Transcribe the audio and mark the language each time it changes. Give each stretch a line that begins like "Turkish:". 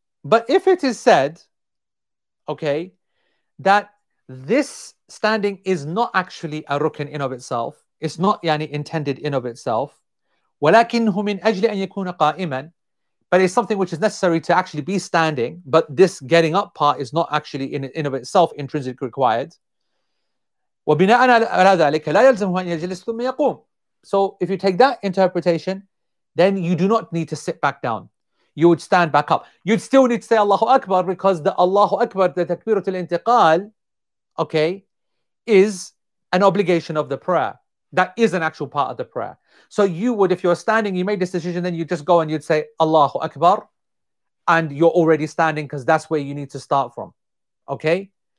English: But if it is said, okay, that this standing is not actually a rukn in of itself, it's not yani intended in of itself,
Arabic: وَلَكِنْهُ مِنْ أَجْلِ أَنْ يَكُونَ قَائِمًا,
English: but it's something which is necessary to actually be standing, but this getting up part is not actually in of itself intrinsically required.
Arabic: وبناء على ذلك لا يلزمه أن يجلس ثم يقوم.
English: So if you take that interpretation, then you do not need to sit back down. You would stand back up. You'd still need to say Allahu Akbar, because the Allahu Akbar, the takbiratul intiqal, okay, is an obligation of the prayer. That is an actual part of the prayer. So you would, if you're standing, you made this decision, then you just go and you'd say Allahu Akbar, and you're already standing because that's where you need to start from. Okay?